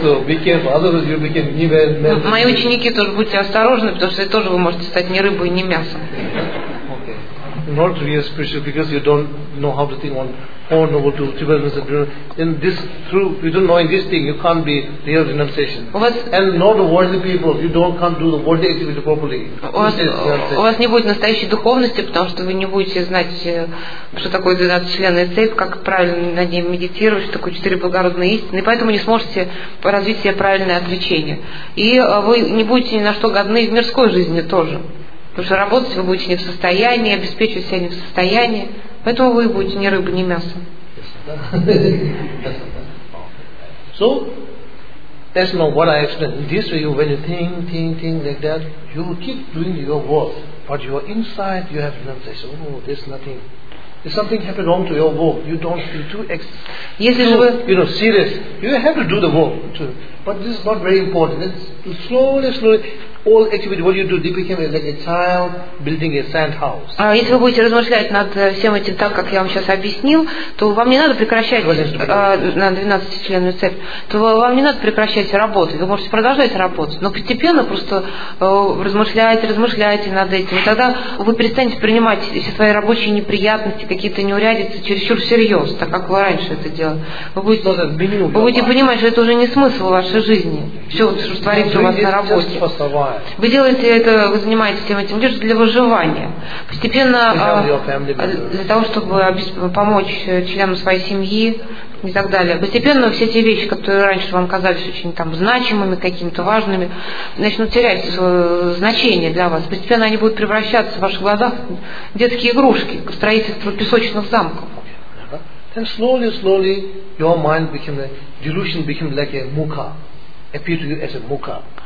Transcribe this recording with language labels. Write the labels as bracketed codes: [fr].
[ru] Мои ученики тоже будьте осторожны, потому что тоже вы можете стать ни рыбой, ни мясом. [en] Not really spiritual because you don't know how to think on four noble truths, three noble truths. In this, through you don't knowing this thing, you can't be real renunciation. And not the worldly people, you don't can't do the worldly activity properly. [ru] У вас не будет настоящей духовности, потому что вы не будете знать, что такое 12 членов цепь, как правильно на ней медитировать, что такое четыре благородные истины, и поэтому не сможете развить себе правильное отвлечение. И вы не будете ни на что годны в мирской жизни тоже. Потому что работать вы будете не в состоянии, обеспечивать себя не в состоянии. Поэтому вы будете ни рыба, ни мясо. [en] So, that's not what I explained. In this way, when you think, think, think like that, you keep doing your work. But you are inside, you have renunciation. Oh, there's nothing. If something happened wrong to your work, you don't feel too serious. You have to do the work too. But this is not very important. It's slowly, slowly. All activity, what you do, they became like a child building a sand house. [ru] А если вы будете размышлять над всем этим так, как я вам сейчас объяснил, то вам не надо прекращать на 12 членную цепь, то вам не надо прекращать работу. Вы можете продолжать работать, но постепенно просто размышляете над этим. И тогда вы перестанете принимать все свои рабочие неприятности, какие-то неурядицы чересчур всерьез, так как вы раньше это делали. Вы будете понимать, что это уже не смысл вашей жизни. Все, что творится у вас на работе. Вы делаете это, вы занимаетесь всем этим лишь для выживания. Постепенно для того, чтобы помочь членам своей семьи и так далее. Постепенно все те вещи, которые раньше вам казались очень там значимыми, какими-то важными, начнут терять свое значение для вас. Постепенно они будут превращаться в ваших глазах в детские игрушки, в строительство песочных замков. [en] Then slowly, slowly your mind became a delusion, became like a mukha, appear to you as a mukha.